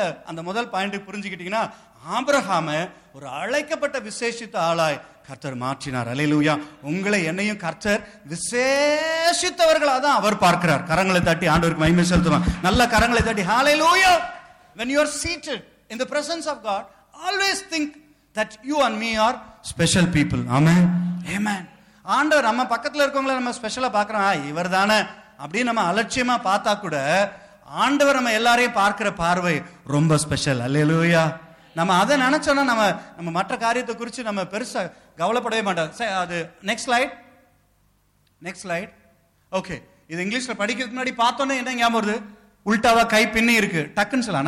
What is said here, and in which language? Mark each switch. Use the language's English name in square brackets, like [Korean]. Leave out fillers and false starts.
[Tamil] அந்த முதல் பாயிண்ட் புரிஞ்சுக்கிட்டீங்கன்னா, ஆபிரகாம ஒரு அழைக்கப்பட்ட விசேஷித்த ஆளாய் கர்த்தர் மாற்றினார். அல்லேலூயா. உங்களை என்னையும் கர்த்தர் விசேஷித்தவர்களா தான் அவர் பார்க்கிறார். கரங்களை தட்டி ஆண்டவருக்கு மகிமை செலுத்துவோம். நல்ல கரங்களை தட்டி ஹல்லேலூயா. [English] When you are seated in the presence of God, always think that you and me are special people. Amen. Amen. [Tamil] ஆண்டவர் நம்ம பக்கத்தில் இருக்கவங்களை நம்ம ஸ்பெஷலாக பார்க்குறோம், இவர் தானே அப்படின்னு நம்ம அலட்சியமாக பார்த்தா கூட ஆண்டவர் நம்ம எல்லாரையும் பார்க்குற பார்வை ரொம்ப ஸ்பெஷல். அல்லேலூயா. நம்ம அதை நினச்சோன்னா நம்ம மற்ற காரியத்தை குறித்து நம்ம பெருசாக கவலைப்படவே மாட்டோம். அது next slide, next slide. Okay, இது இங்கிலீஷில் படிக்கிறதுக்கு முன்னாடி பார்த்தோன்னே என்ன ஞாபகம் வருது, உள்டாவாக கை பின்னி இருக்குது டக்குன்னு சொல்லலாம்.